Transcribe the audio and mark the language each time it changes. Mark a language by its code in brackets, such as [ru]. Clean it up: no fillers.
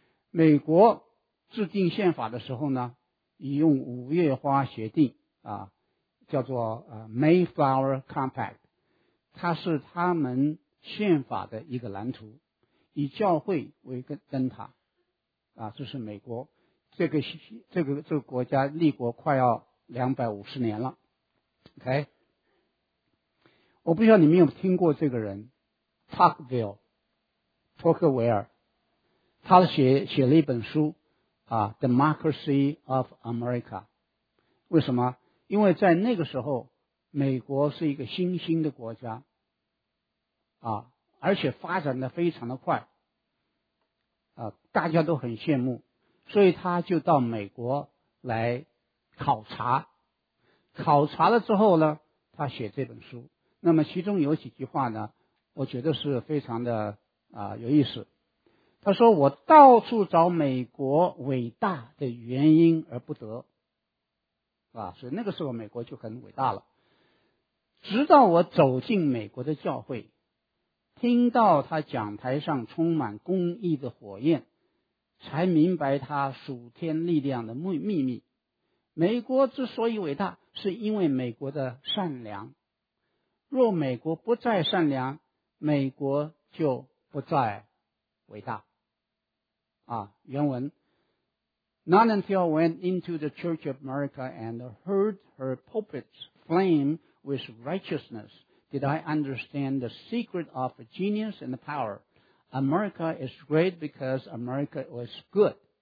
[zh] 美国制定宪法的时候呢，以用五月花协定啊，叫做Mayflower Compact， 它是他们宪法的一个蓝图，以教会为灯塔啊，这是美国这个国家立国快要250年了。 OK， 我不知道你们有听过这个人 Tocqueville， 托克维尔，他写了一本书。 [en] Democracy of America， [zh] 为什么？因为在那个时候美国是一个新兴的国家啊，而且发展的非常的快啊，大家都很羡慕，所以他就到美国来考察了之后呢，他写这本书。那么其中有几句话呢，我觉得是非常的有意思。他说，我到处找美国伟大的原因而不得，啊，所以那个时候美国就很伟大了。直到我走进美国的教会，听到他讲台上充满公义的火焰，才明白他属天力量的秘密。美国之所以伟大，是因为美国的善良。若美国不再善良，美国就不再伟大。 [en] 原文， Not until I went into the Church of America and heard her pulpits flame with righteousness did I understand the secret of genius and power. America is great because America was good.